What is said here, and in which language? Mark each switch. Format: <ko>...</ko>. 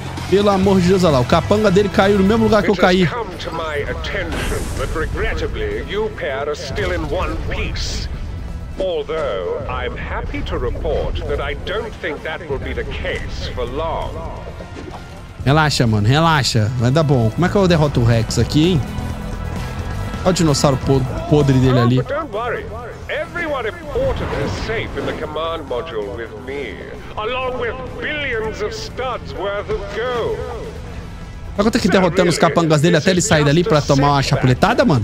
<pt>Pelo amor de Deus, olha lá. O capanga dele caiu no mesmo lugar que eu caí.</pt> <en>Come to my attention, but regrettably, you pair are still in one piece. Although, I'm happy to report that I don't think that will be the case for long.</en> <pt>Relaxa, mano, relaxa. Vai dar bom. Como é que eu derroto o Rex aqui, hein? Olha o dinossauro podre dele ali. Não,</pt> <en>don't worry. Everyone important is safe in the command module with me. Along with billions of studs worth of gold.</en> <pt>Agora tem que derrotando os capangas dele até ele sair dali pra tomar uma chapuletada, mano.</pt>